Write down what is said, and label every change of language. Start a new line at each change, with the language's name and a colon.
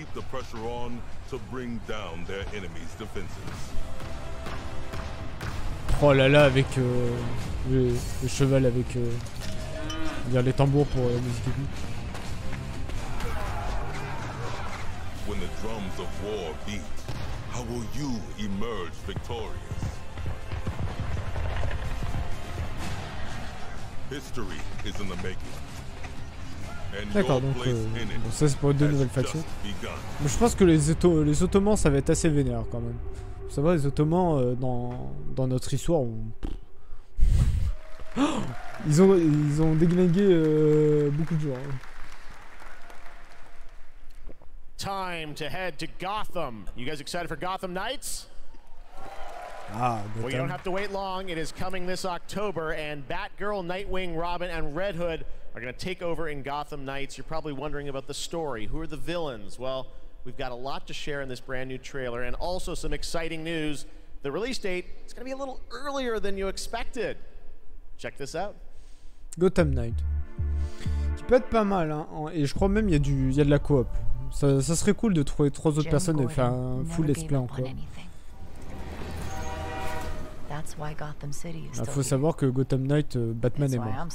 English: Pressure on to bring down their enemy's defenses.
French: Oh là là, avec le cheval, avec les tambours pour la musique épique.
English: When the drums of war beat, how will you emerge victorious? History is in the making.
French: D'accord, donc bon, ça c'est pour deux nouvelles factions. Mais je pense que les Ottomans, ça va être assez vénère quand même. Ça va, les Ottomans, dans notre histoire, on... ils ont déglingué beaucoup de gens.
English: Time to head to Gotham. You guys excited for Gotham Knights? Ah, well, you don't have to wait long. It is coming this October, and Batgirl, Nightwing, Robin, and Red Hood are going to take over in Gotham Knights. You're probably wondering about the story. Who are the villains? Well, we've got a lot to share in this brand new trailer, and also some exciting news. The release date is going to be a little earlier than you expected. Check this out.
French: Gotham Knight. Qui peut être pas mal, hein. Et je crois même il y a de la coop. Ça serait cool de trouver trois autres personnes et faire un full let's play encore. Il faut savoir que Gotham Knight, Batman est mort.